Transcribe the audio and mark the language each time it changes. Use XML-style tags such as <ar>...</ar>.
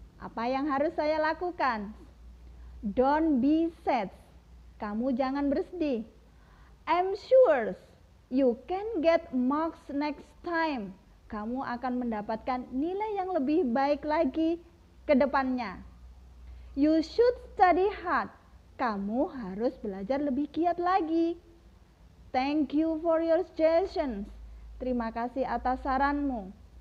<id>Apa yang harus saya lakukan?</id> <en>Don't be sad.</en> <id>Kamu jangan bersedih.</id> <en>I'm sure you can get marks next time.</en> <id>Kamu akan mendapatkan nilai yang lebih baik lagi ke depannya.</id> <en>You should study hard.</en> <id>Kamu harus belajar lebih giat lagi.</id> <en>Thank you for your suggestions.</en> <id>Terima kasih atas saranmu.</id>